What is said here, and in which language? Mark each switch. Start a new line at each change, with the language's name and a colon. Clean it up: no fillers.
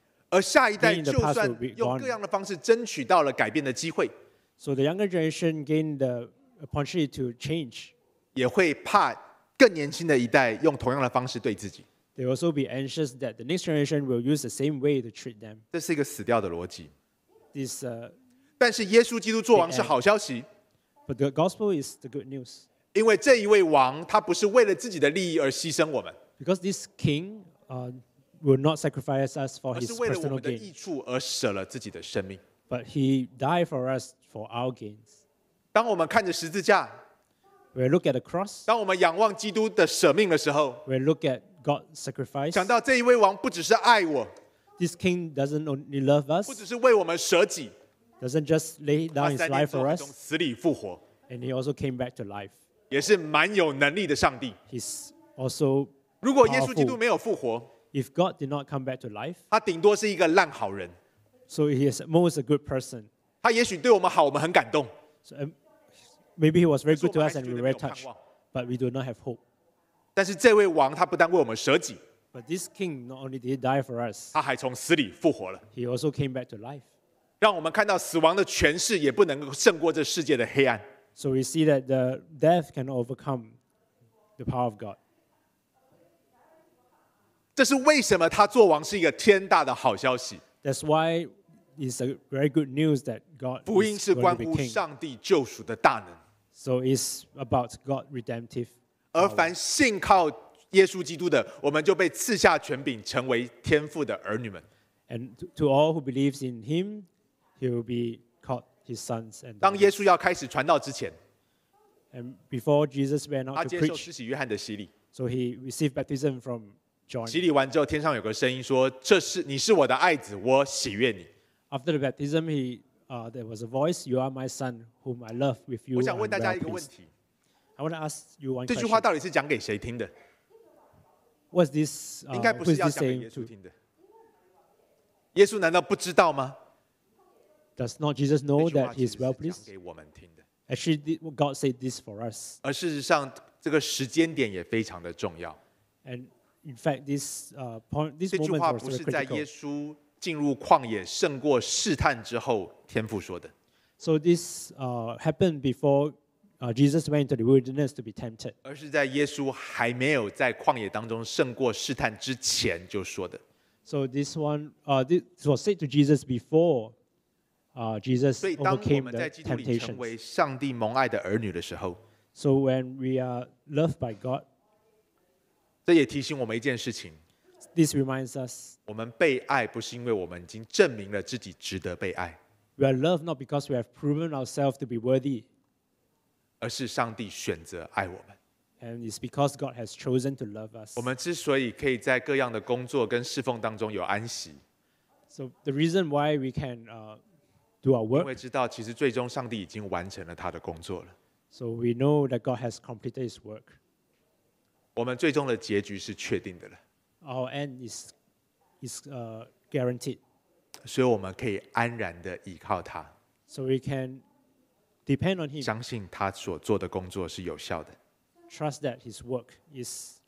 Chinese: 而下一代就算用各样的方式争取到了改变的机会
English: ，So the younger generation gain the opportunity to change.
Chinese: 也会怕更年轻的一代用同样的方式对自己。
English: They also be anxious that the next generation will use the same way to treat them.
Chinese: 这是一个死掉的逻辑。
English: This,
Chinese: 但是耶稣基督作王是好消息。
English: But the gospel is the good news.
Chinese: 因为这一位王，他不是为了自己的利益而牺牲我们。
English: Because this king, will not sacrifice us for his personal gain.
Chinese: 而是为了我们的益处而舍了自己的生命。
English: But he died for us for our gains.
Chinese: 当我们看着十字架
English: ，we look at the cross.
Chinese: 当我们仰望基督的舍命的时候
English: ，we look at God's sacrifice.
Chinese: 想到这一位王不只是爱我
English: ，this king doesn't only love us.
Chinese: 不只是为我们舍己。
English: Doesn't just lay down his life for us.
Chinese: 从死里复活
English: and he also came back to life.
Chinese: 也是蛮有能力的上帝
English: He's also.
Chinese: 如果耶稣基督没有复活
English: if God did not come back to life,
Chinese: 他顶多是一个烂好人
English: so he is at most a good person.
Chinese: 他也许对我们好，我们很感动
English: so, maybe he was very good to us and we were touched, but we do not have hope.
Chinese: 但是这位王他不但为我们舍己
English: but this king not only did he die for us,
Chinese: 他还从死里复活了
English: he also came back to life.
Chinese: 让我们看到死亡的权势也不能胜过这世界的黑暗。
English: So we see that the death can overcome the power of God.
Chinese: 这是为什么他作王是一个天大的好消息。
English: That's why it's a very good news that God.
Chinese: 福音是关乎上帝救赎的大能。
English: So it's about God redemptive.
Chinese: 而凡信靠耶稣基督的，我们就被赐下权柄，成为天父的儿女们。
English: And to all who believes in Him. He will be called his sons and.
Chinese: 当耶稣要开始传道之前
English: ，and before Jesus went out to preach,
Chinese: 他接受施洗约翰的洗礼。
English: So he received baptism from John.
Chinese: 洗礼完之后，天上有个声音说：“这是你是我的爱子，我喜悦你。”
English: After the baptism, he there was a voice: "You are my son, whom I love with you."
Chinese: 我想问大家一个问题。
English: I want to ask you one question.
Chinese: 这句话到底是讲给谁听的？
English: What's this?
Chinese: 应该不是要讲给耶稣听的。耶稣难道不知道吗？
English: Does not Jesus know that he is well pleased?
Chinese: 讲给我们听的。
English: Actually, God said this for us.
Chinese: 而事实上，这个时间点也非常的重要。
English: And in fact, this point, this moment was very critical.
Chinese: 这句话不是在耶稣进入旷野胜过试探之后天父说的。
English: So this happened before. Jesus went into the wilderness to be tempted.
Chinese: 而是在耶稣还没有在旷野当中胜过试探之前就说的。
English: So this one, this was said to Jesus before, Jesus overcame the temptation.
Chinese: 所以当我们在基督里成为上帝蒙爱的儿女的时候
English: ，So when we are loved by God,
Chinese: 这也提醒我们一件事情。
English: This reminds us,
Chinese: 我们被爱不是因为我们已经证明了自己值得被爱。
English: We are loved not because we have proven ourselves to be worthy.
Chinese: 而是上帝选择爱我们。
English: And it's because God has chosen to love us.
Chinese: 我们之所以可以在各样的工作跟侍奉当中有安息。
English: So the reason why we can do our work.
Chinese: 因为知道其实最终上帝已经完成了他的工作了。
English: So we know that God has completed his work.
Chinese: 我们最终的结局是确定的了。
English: Our end is guaranteed.
Chinese: 所以我们可以安然的依靠他。
English: So we can. Depend on him.
Chinese: 相信他所做的工作是有效的。
English: Trust that his work is.